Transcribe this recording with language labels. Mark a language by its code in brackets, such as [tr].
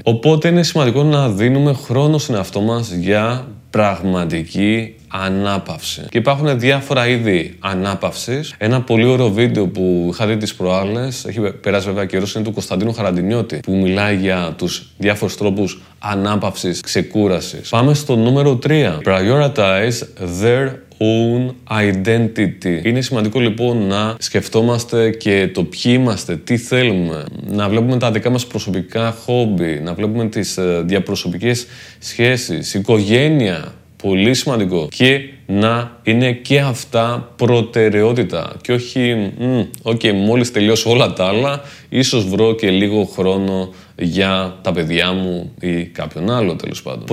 [el] Οπότε είναι σημαντικό να δίνουμε χρόνο στον εαυτό μας για πραγματική ανάπαυση. Και υπάρχουν διάφορα είδη ανάπαυσης. Ένα πολύ ωραίο βίντεο που είχα δει τις προάλλες, έχει περάσει βέβαια καιρός, είναι του Κωνσταντίνου Χαραντινιώτη, που μιλάει για τους διάφορους τρόπους ανάπαυσης, ξεκούρασης. Πάμε στο νούμερο 3. [en] Prioritize their own identity. [el] Είναι σημαντικό λοιπόν να σκεφτόμαστε και το ποιοι είμαστε, τι θέλουμε, να βλέπουμε τα δικά μας προσωπικά χόμπι, να βλέπουμε τις διαπροσωπικές σχέσεις, οικογένεια, πολύ σημαντικό, και να είναι και αυτά προτεραιότητα και όχι okay, μόλις τελειώσω όλα τα άλλα ίσως βρω και λίγο χρόνο για τα παιδιά μου ή κάποιον άλλο τέλος πάντων.